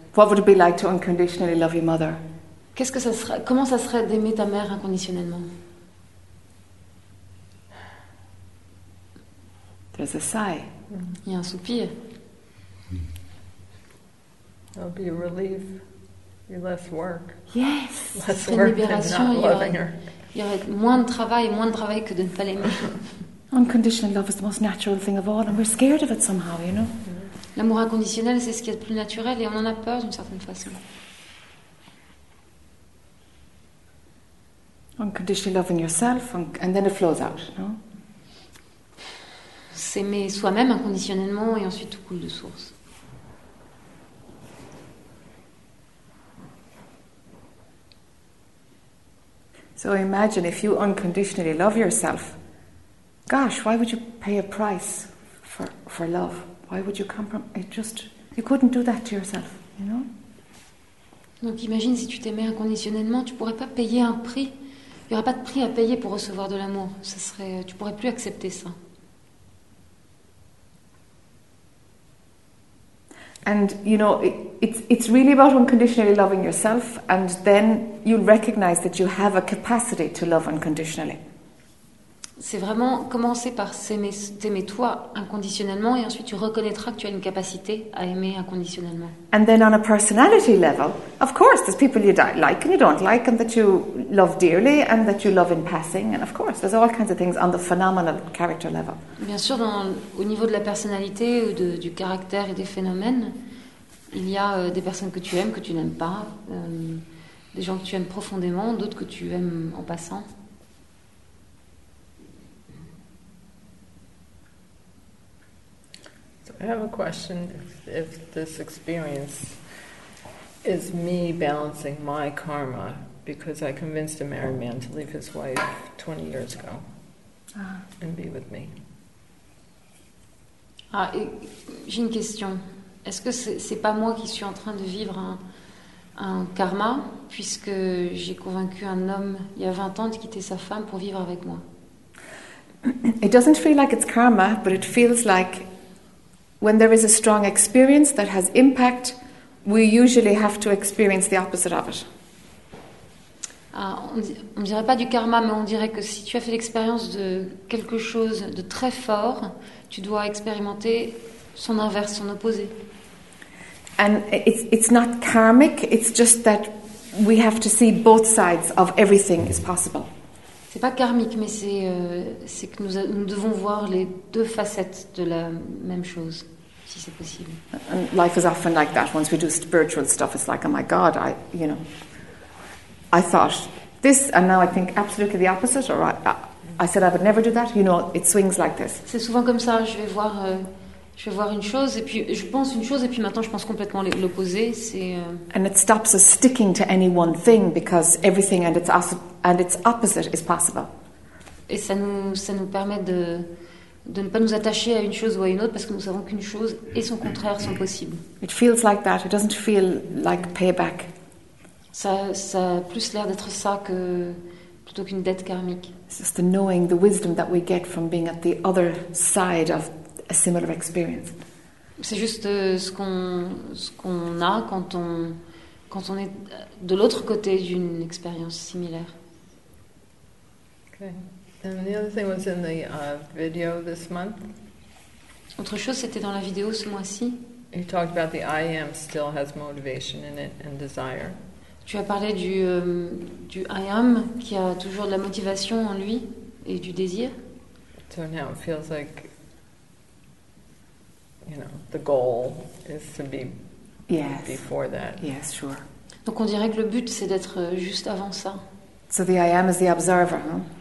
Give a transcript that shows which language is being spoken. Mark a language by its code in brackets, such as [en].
[en] What would it be like to unconditionally love your mother? [fr] Qu'est-ce que ça sera, comment ça serait d'aimer ta mère inconditionnellement? [en] There's a sigh. [fr] Mm. Il y a un soupir. [en] That would be a relief. You're less work. Yes. Less work [fr] libération, [en] than not loving her. [fr] Il y aurait moins de travail que de ne pas l'aimer. [en] Unconditional love is the most natural thing of all, and we're scared of it somehow, you know. [fr] L'amour inconditionnel, c'est ce qui est le plus naturel, et on en a peur d'une certaine façon. [en] Unconditionally loving yourself, and then it flows out, no? [fr] S'aimer soi-même inconditionnellement, et ensuite tout coule de source. [en] So imagine if you unconditionally love yourself. Gosh, why would you pay a price for love? Why would you compromise? You couldn't do that to yourself, you know? [fr] Donc imagine si tu t'aimais inconditionnellement, tu pourrais pas payer un prix. Il y aura pas de prix à payer pour recevoir de l'amour. Ça serait, tu pourrais plus accepter ça. [en] And you know, it's really about unconditionally loving yourself, and then you'll recognize that you have a capacity to love unconditionally. [fr] C'est vraiment commencer par t'aimer toi inconditionnellement, et ensuite tu reconnaîtras que tu as une capacité à aimer inconditionnellement. [en] And then on a personality level, of course, there's people you like and you don't like, and that you love dearly, and that you love in passing, and of course, there's all kinds of things on the phenomenal character level. [fr] Bien sûr, au niveau de la personnalité, du caractère et des phénomènes, il y a des personnes que tu aimes, que tu n'aimes pas, des gens que tu aimes profondément, d'autres que tu aimes en passant. [en] I have a question. If this experience is me balancing my karma, because I convinced a married man to leave his wife 20 years ago and be with me. [fr] Ah, j'ai une question. Est-ce que c'est pas moi qui suis en train de vivre un karma, puisque j'ai convaincu un homme il y a 20 ans de quitter sa femme pour vivre avec moi? [en] It doesn't feel like it's karma, but it feels like when there is a strong experience that has impact, we usually have to experience the opposite of it. [fr] On dirait pas du karma, mais on dirait que si tu as fait l'expérience de quelque chose de très fort, tu dois expérimenter son inverse, son opposé. [en] And it's not karmic, it's just that we have to see both sides of everything is possible. [fr] C'est pas karmique, mais c'est que nous devons voir les deux facettes de la même chose, si c'est possible. [en] And life is often like that. Once we do spiritual stuff, it's like, oh my God, I thought this, and now I think absolutely the opposite, or I said I would never do that. You know, it swings like this. [fr] C'est souvent comme ça. Je vais voir une chose, et puis je pense une chose, et puis maintenant je pense complètement l'opposé. [en] And it stops us sticking to any one thing, because everything and its opposite. And its opposite is possible. [fr] Et ça nous permet de ne pas nous attacher à une chose ou à une autre, parce que nous savons qu'une chose et son contraire sont possibles. [en] It feels like that. It doesn't feel like payback. [fr] Ça a plus l'air d'être ça que plutôt qu'une dette karmique. [en] It's just the knowing, the wisdom that we get from being at the other side of a similar experience. [fr] C'est juste ce qu'on a quand on est de l'autre côté d'une expérience similaire. [en] Okay. And the other thing was in the video this month. [fr] Autre chose, c'était dans la vidéo ce mois-ci. [en] You talked about the I am still has motivation in it and desire. [fr] Tu as parlé du [en] I am [fr] qui a toujours de la motivation en lui et du désir. [en] So now it feels like, you know, the goal is to be before that. Yes, sure. [fr] Donc on dirait que le but, c'est d'être juste avant ça. [en] So the I am is the observer, huh?